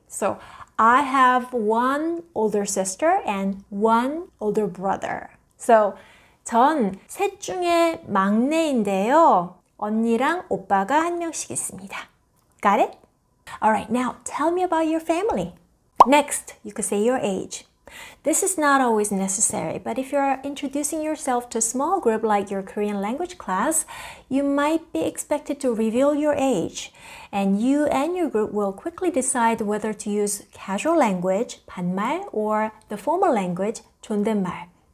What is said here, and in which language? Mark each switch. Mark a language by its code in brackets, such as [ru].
[en] So I have one older sister and one older brother. So [ko] 전 셋 중에 막내인데요. 언니랑 오빠가 한 명씩 있습니다. [en] Got it? All right, now tell me about your family. Next, you could say your age. This is not always necessary, but if you're introducing yourself to a small group like your Korean language class, you might be expected to reveal your age. And you and your group will quickly decide whether to use casual language, 반말, or the formal language, 존댓말.